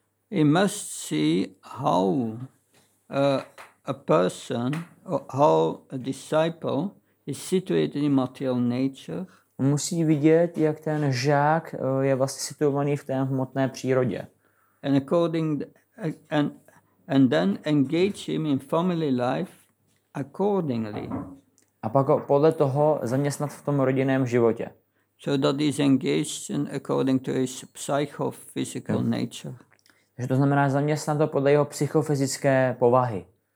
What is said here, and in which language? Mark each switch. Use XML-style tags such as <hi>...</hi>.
<en>He must see how a person or how a disciple is situated in material nature.</en> <cs>Musí vidět, jak ten žák je vlastně situovaný v té hmotné přírodě.</cs> <en>And according and then engage him in family life accordingly.</en> <cs>A pak podle toho zaměstnat v tom rodinném životě.</cs> <en>So that is engaged in according to his psychophysical nature.</en> <cs>Takže to znamená zaměstnat to podle jeho psychofyzické povahy.</cs>